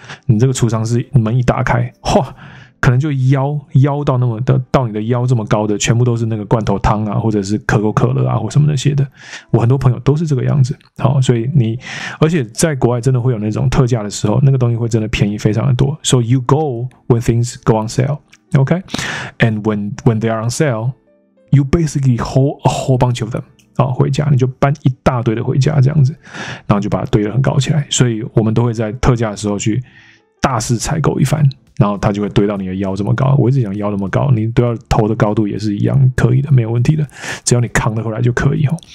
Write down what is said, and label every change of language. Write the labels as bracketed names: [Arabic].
[Chinese] 你这个储藏室门一打开，哇，可能就腰到那么的，到你的腰这么高的，全部都是那个罐头汤啊，或者是可口可乐啊，或什么那些的。我很多朋友都是这个样子。好，所以你，而且在国外真的会有那种特价的时候，那个东西会真的便宜非常的多。 [English] So you go when things go on sale, OK? And when they are on sale, you basically hold a whole bunch of them. [Chinese] 回家你就搬一大堆的回家这样子，然后就把它堆得很高起来，所以我们都会在特价的时候去大肆采购一番，然后它就会堆到你的腰这么高。我一直讲腰那么高，你都要头的高度也是一样可以的，没有问题的，只要你扛得回来就可以。